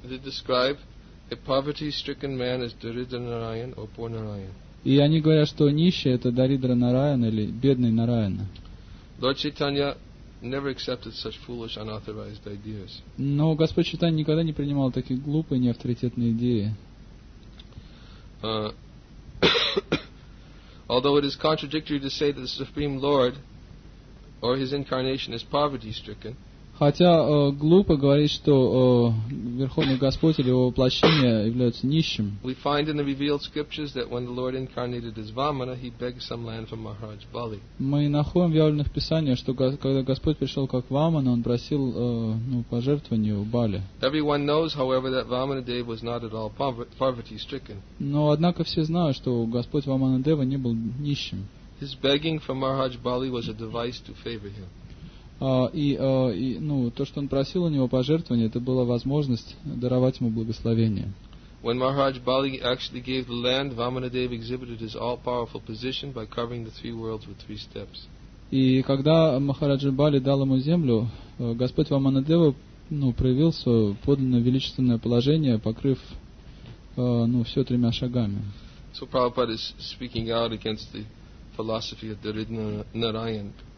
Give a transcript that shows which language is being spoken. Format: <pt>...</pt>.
<en>They describe a poverty-stricken man as Dharidra Narayan or poor Narayan.</en> <ru>И они говорят, что нищий это Даридра Нараяна или бедный Нараяна.</ru> <en>Lord Chaitanya never accepted such foolish, unauthorized ideas.</en> <ru>Но Господь Чайтанья никогда не принимал такие глупые, неавторитетные идеи.</ru> <en>Although it is contradictory to say that the Supreme Lord or his incarnation is poverty stricken.</en> <ru>Хотя глупо говорить, что Верховный Господь или его воплощение являются нищим.</ru> <en>We find in the revealed scriptures that when the Lord incarnated as Vamana, he begged some land from Maharaj Bali.</en> <ru>Мы находим в явленных писаниях, что когда Господь пришел как Вамана, он просил ну, пожертвования у Бали.</ru> <en>Everyone knows, however, that Vamana Deva was not at all poverty stricken.</en> <ru>Но однако все знают, что Господь Вамана Дева не был нищим.</ru> <en>His begging from Maharaj Bali was a device to favor him.</en> <ru>И ну, то, что он просил у него пожертвования, это была возможность даровать ему благословение.</ru> <en>When Maharaj Bali actually gave the land, Vamanadeva exhibited his all-powerful position by covering the three worlds with three steps.</en> <ru>И когда Махараджа Бали дал ему землю, Господь Ваманадева ну, проявил свое подлинно величественное положение, покрыв ну, все тремя шагами.</ru> <en>So Prabhupada is speaking out against the philosophy of Dharidra Narayan.</en>